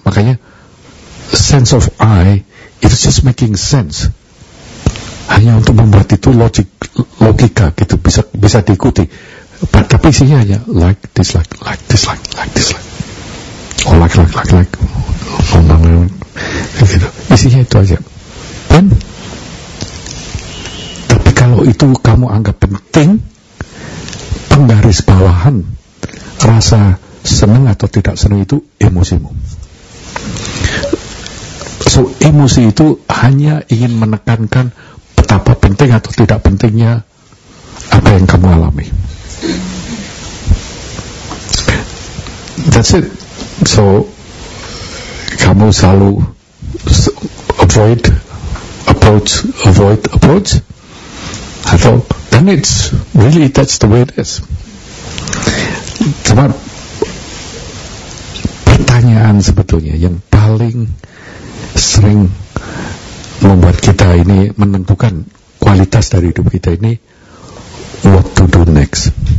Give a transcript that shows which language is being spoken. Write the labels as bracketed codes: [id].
[id] Makanya [en] sense of I is just making sense. [id] Hanya untuk membuat itu logika gitu, bisa diikuti. Tapi isinya hanya [en] like, dislike, like, dislike, like, dislike. Oh, like. [id] Oh, gitu. Isinya itu aja. Dan, tapi kalau itu kamu anggap penting, penggaris bawahan rasa senang atau tidak senang itu emosimu. So, emosi itu hanya ingin menekankan betapa penting atau tidak pentingnya apa yang kamu alami. [en] That's it. So [id] kamu selalu [en] avoid, approach, avoid, approach. [id] Atau [en] then it's really that's the way it is. [id] Cuma pertanyaan sebetulnya yang paling sering membuat kita ini menentukan kualitas dari hidup kita ini, [en] what to do next.